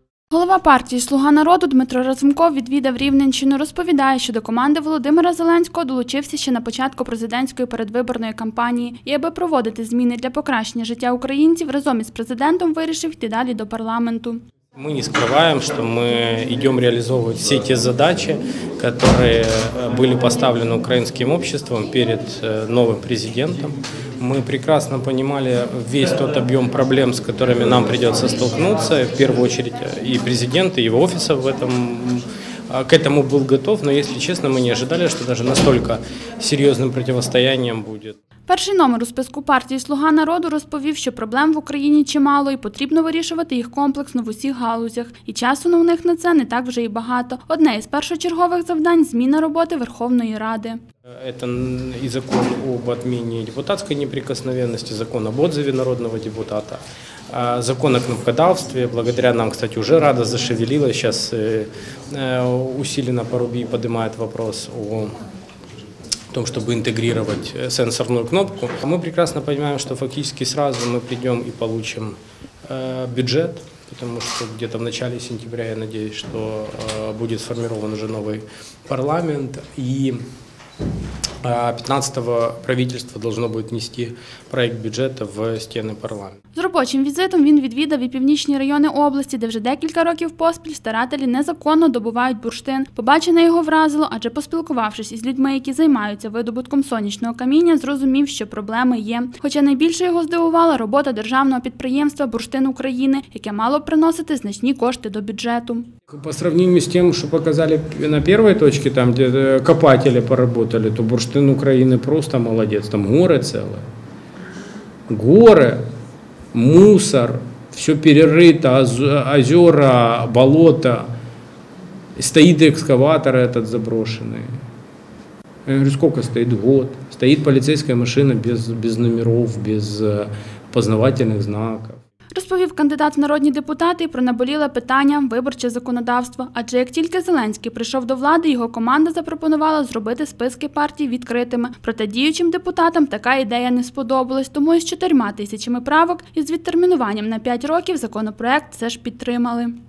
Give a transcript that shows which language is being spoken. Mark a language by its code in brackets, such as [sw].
[uk] Голова партії «Слуга народу» Дмитро Разумков відвідав Рівненщину, розповідає, що до команди Володимира Зеленського долучився ще на початку президентської передвиборної кампанії і, аби проводити зміни для покращення життя українців, разом із президентом вирішив йти далі до парламенту. [ru] Мы не скрываем, что мы идем реализовывать все те задачи, которые были поставлены украинским обществом перед новым президентом. Мы прекрасно понимали весь тот объем проблем, с которыми нам придется столкнуться, в первую очередь и президент, и его офис в этом к этому был готов, но, если честно, мы не ожидали, что даже настолько серьезным противостоянием будет. [uk] Перший номер у списку партії «Слуга народу» розповів, що проблем в Україні чимало і потрібно вирішувати їх комплексно в усіх галузях. І часу на них на це не так вже і багато. Одне із першочергових завдань – зміна роботи Верховної Ради. [ru] Это и закон об отмене депутатской неприкосновенности, закон об отзыве народного депутата, закон о кнопкодавстве. Благодаря нам, кстати, уже Рада зашевелилась, сейчас усиленно Парубий поднимает вопрос о том, чтобы интегрировать сенсорную кнопку. Мы прекрасно понимаем, что фактически сразу мы придем и получим бюджет, потому что где-то в начале сентября, я надеюсь, что будет сформирован уже новый парламент, и 15-го правительство должно будет внести проект бюджета в стены парламента. [uk] З робочим візитом він відвідав і північні райони області, де вже декілька років поспіль старателі незаконно добувають бурштин. Побачене його вразило, адже поспілкувавшись із людьми, які займаються видобутком сонячного каміння, зрозумів, що проблеми є. Хоча найбільше його здивувала робота державного підприємства «Бурштин України», яке мало приносити значні кошти до бюджету. [ru] По сравнению [uk] з тим, що показали на першій точці, там, де копателі [ru] поработали, [uk] то «Бурштин України» просто молодець, там горе ціле. [ru] Горе. Мусор, все перерыто, озера, болото, стоит экскаватор этот заброшенный. Я говорю, сколько стоит? Год. Стоит полицейская машина без номеров, без познавательных знаков. [uk] Розповів кандидат в народні депутати про наболіле питання – виборче законодавство. Адже як тільки Зеленський прийшов до влади, його команда запропонувала зробити списки партій відкритими. Проте діючим депутатам така ідея не сподобалась, тому із 4000 правок і з відтермінуванням на 5 років законопроект все ж підтримали.